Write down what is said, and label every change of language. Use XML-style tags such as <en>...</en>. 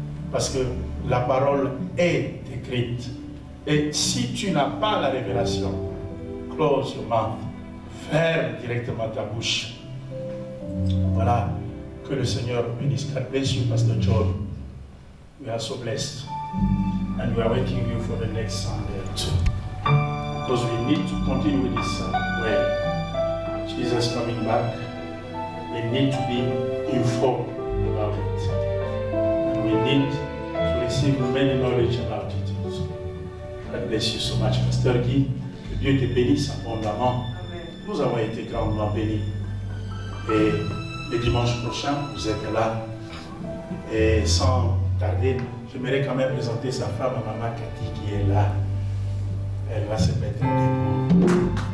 <fr>Parce que la parole est écrite. Et si tu n'as pas la révélation,</fr> <en>close your mouth,</en> <fr>ferme directement ta bouche. Voilà, que le Seigneur bénisse.</fr> <en>God bless you, Pastor John. We are so blessed. And we are waiting you for the next Sunday too. Because we need to continue with this prayer. Jesus coming back, we need to be informed about it. And we need to receive many knowledge about it. So, God bless you so much, Pastor Guy.</en> <fr>Que Dieu te bénisse abondamment. Nous avons été grandement bénis. Et le dimanche prochain, vous êtes là. Et sans tarder, j'aimerais quand même présenter sa femme, Maman Cathy, qui est là. Elle va se mettre en débrouille.</fr>